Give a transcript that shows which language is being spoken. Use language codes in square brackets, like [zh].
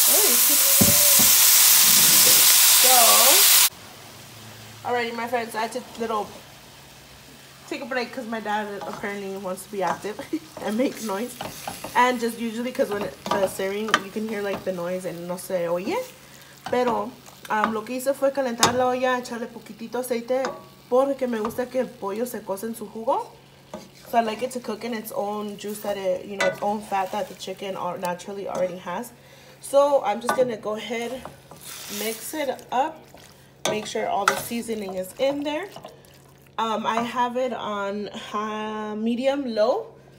[en] So, alrighty, my friends, I had to take a break because my dad apparently wants to be active and make noise. And just usually because when the stirring, you can hear like the noise and [es] no se oye. Pero, lo que hice fue calentar la olla, echarle poquitito aceite porque me gusta que el pollo se cose en su jugo. [en] So I like it to cook in its own juice that it, you know, its own fat that the chicken naturally already has. So I'm just gonna go ahead, mix it up, make sure all the seasoning is in there. I have it on medium low.